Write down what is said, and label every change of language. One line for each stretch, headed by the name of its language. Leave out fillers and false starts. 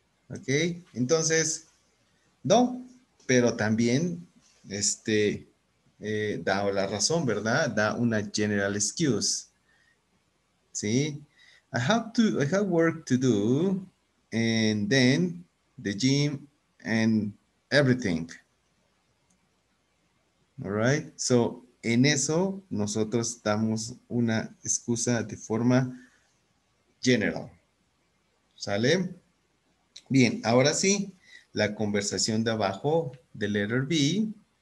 Spanish: Ok, entonces, no, pero también, da la razón, ¿verdad? Da una
English: general excuse.
Spanish: ¿Sí?
English: I have work to do, and then the gym and everything. All right, so
Spanish: en eso, nosotros damos una excusa de forma general. ¿Sale? Bien, ahora sí, la conversación de abajo de letter B.